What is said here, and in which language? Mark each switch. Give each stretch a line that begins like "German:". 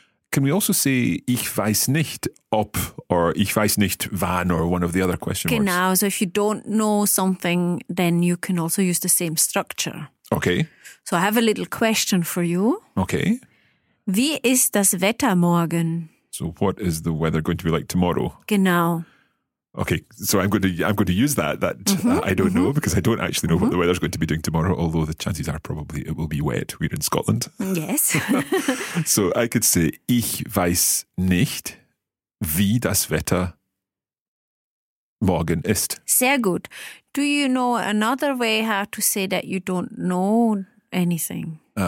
English: Can we also say,
German: ich weiß nicht ob,
English: or
German: ich weiß nicht wann,
English: or one of the other question marks?
German: Genau,
English: so if you don't know something, then you can also use the same structure. Okay. So I have a little question for you. Okay.
German: Wie ist das Wetter morgen?
English: So what is the weather going to be like tomorrow?
German: Genau.
English: Okay, so I'm going to use that I don't know, because I don't actually know what the weather's going to be doing tomorrow, although the chances are probably it will be wet. We're in Scotland. Yes. So I could say,
German: ich weiß nicht, wie das Wetter morgen ist. Sehr gut.
English: Do you know another way how to say that you don't know anything?